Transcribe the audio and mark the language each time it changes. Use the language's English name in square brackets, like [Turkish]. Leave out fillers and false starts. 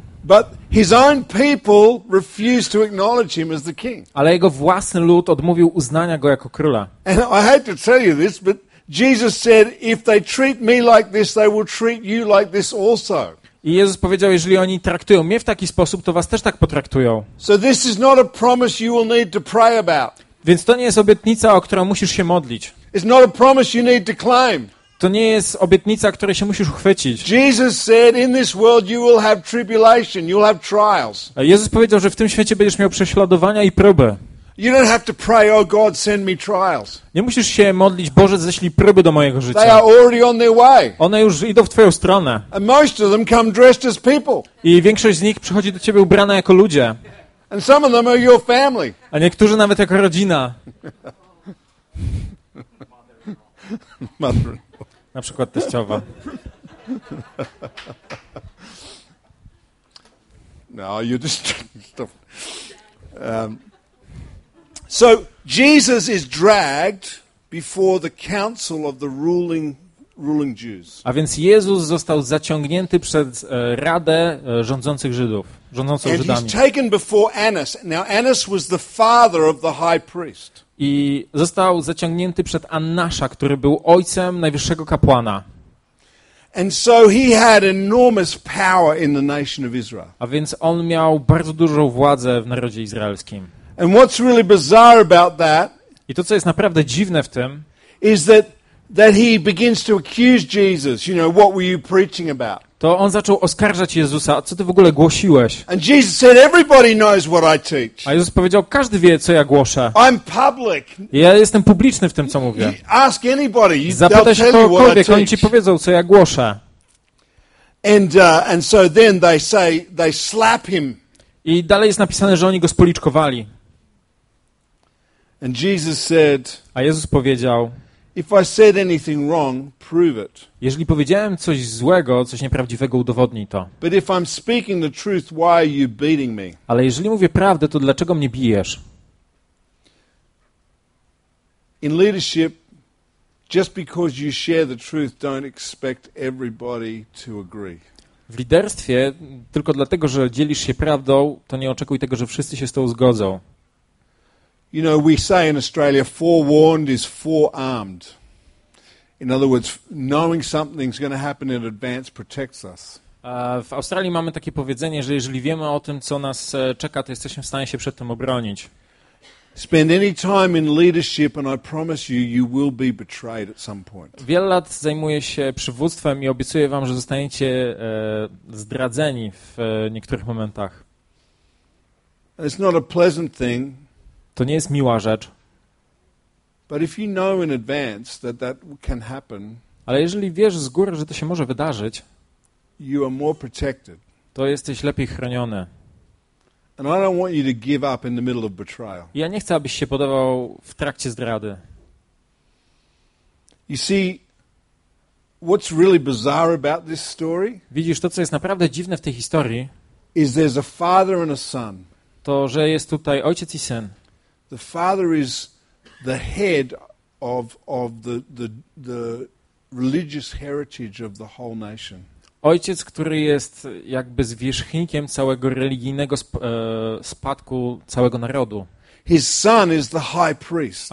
[English] But his own people refused to acknowledge him as the king. [Polish] Ale jego własny lud odmówił uznania go jako króla. [English] And I hate to tell you this, but Jesus said, if they treat me like this, they will treat you like this also. [Polish] I Jezus powiedział, jeżeli oni traktują mnie w taki sposób, to was też tak potraktują. [English] So this is not a promise you will need to pray about. [Polish] Więc to nie jest obietnica, o którą musisz się modlić. [English] It's not a promise you need to claim. [Polish] To nie jest obietnica, której się musisz uchwycić. [English] Jesus said, in this world you will have tribulation, you'll have trials. [Polish] A Jezus powiedział, że w tym świecie będziesz miał prześladowania i próby. [English] You don't have to pray, oh God, send me trials. [Polish] Nie musisz się modlić, Boże, ześlij próby do mojego życia. [English] They are already on their way. [Polish] One już idą w twoją stronę. [English] And most of them come dressed as people. [Polish] I większość z nich przychodzi do ciebie ubrana jako ludzie. [English] And some of them are your family. [Polish] A niektórzy nawet jako rodzina. Na przykład teściowa. [English] No, you just stop. So Jesus is dragged before the council of the ruling Jews. [Polish] A więc Jezus został zaciągnięty przed radę rządzących Żydów, rządzącą [English] and [Polish] Żydami. [English] He's taken before Annas. Now Annas was the father of the high priest. [Polish] I został zaciągnięty przed Annasza, który był ojcem najwyższego kapłana. [English] And so he had enormous power in the nation of Israel. [Polish] A więc on miał bardzo dużą władzę w narodzie izraelskim. [English] And what's really bizarre about that? [Polish] I to co jest naprawdę dziwne w tym, [English] is that he begins to accuse Jesus. You know, what were you preaching about? [Polish] To on zaczął oskarżać Jezusa, co ty w ogóle głosiłeś? [English] And Jesus said, everybody knows what I teach. [Polish] A Jezus powiedział, każdy wie, co ja głoszę. [English] I'm public. [Polish] Ja jestem publiczny w tym, co mówię. [English] Ask anybody, [Polish] zapytaj się kogokolwiek, oni ci powiedzą, co ja głoszę. [English] And so then they say they slap him. [Polish] I dalej jest napisane, że oni go spoliczkowali. [English] And Jesus said, [Polish] a Jezus powiedział, [English] if I said anything wrong, prove it. [Polish] Jeżeli powiedziałem coś złego, coś nieprawdziwego, udowodnij to. [English] But if I'm speaking the truth, why are you beating me? [Polish] Ale jeżeli mówię prawdę, to dlaczego mnie bijesz? [English] In leadership, just because you share the truth, don't expect everybody to agree. [Polish] W liderstwie, tylko dlatego, że dzielisz się prawdą, to nie oczekuj tego, że wszyscy się z tobą zgodzą. [English] You know, we say in Australia, forewarned is forearmed. In other words, knowing something's going to happen in advance protects us. [Polish] W Australii mamy takie powiedzenie, że jeżeli wiemy o tym, co nas czeka, to jesteśmy w stanie się przed tym obronić. [English] Spend any time in leadership and I promise you, you will be betrayed at some point. [Polish] Wiele lat zajmuję się przywództwem i obiecuję wam, że zostaniecie zdradzeni w niektórych momentach. [English] It's not a pleasant thing. [Polish] To nie jest miła rzecz. [English] But if you know in advance that that can happen, [Polish] ale jeżeli wiesz z góry, że to się może wydarzyć, [English] you are more protected. [Polish] To jesteś lepiej chroniony. [English] And I don't want you to give up in the middle of betrayal. [Polish] Ja nie chcę, abyś się podawał w trakcie zdrady. [English] You see, what's really bizarre about this story? [Polish] Widzisz, to co jest naprawdę dziwne w tej historii? [English] Is there's a father and a son. [Polish] To, że jest tutaj ojciec i syn. [English] The father is the head of the religious heritage of the whole nation. [Polish] Ojciec, który jest jakby zwierzchnikiem całego religijnego spadku całego narodu. [English] His son is the high priest.